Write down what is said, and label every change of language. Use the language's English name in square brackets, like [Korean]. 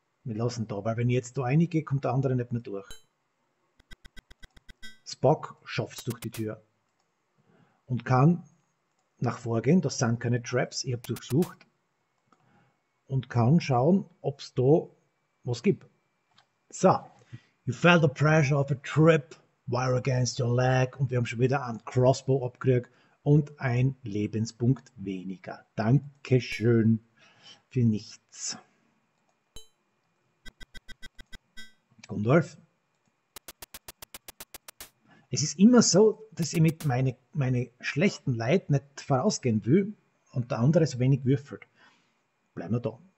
[German] Wir lassen da, weil wenn ich jetzt da reingehe, kommt der andere nicht mehr durch. Spock schafft es durch die Tür. Und kann nach vorgehen, das sind keine Traps, ich habe durchsucht. Und kann schauen, ob es da was gibt. [English] So, you felt the pressure of a trip, wire against your leg. [German] Und wir haben schon wieder einen Crossbow abgekriegt und ein Lebenspunkt weniger. Dankeschön für nichts. Gundolf. Es ist immer so, dass ich mit meine schlechten Leuten nicht vorausgehen will und der andere so wenig würfelt. Bleiben wir da.